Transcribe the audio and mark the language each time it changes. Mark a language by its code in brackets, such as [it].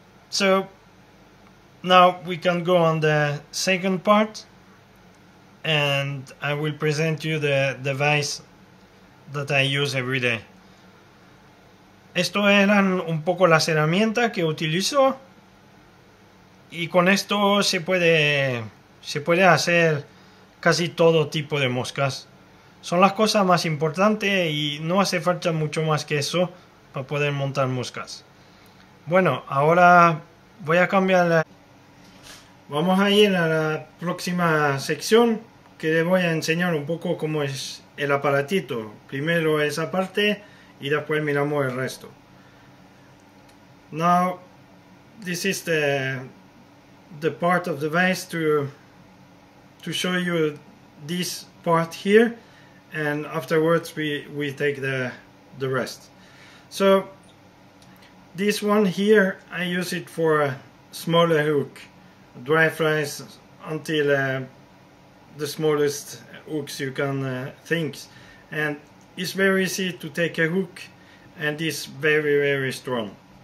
[en] So now we can go on the second part, and I will present you the device that I use every day. [es] Esto eran un poco las herramientas que utilizo, y con esto se puede hacer casi todo tipo de moscas. Son las cosas más importantes y no hace falta mucho más que eso para poder montar moscas. Bueno, ahora voy a cambiar la... Vamos a ir a la próxima sección, que les voy a enseñar un poco cómo es el aparatito. Primero esa parte y después miramos el resto. [en] Now, this is the part of the vise to show you this part here, and afterwards we take the rest. So this one here, I use it for a smaller hook, dry flies until the smallest hooks you can think, and it's very easy to take a hook, and it's very, very strong.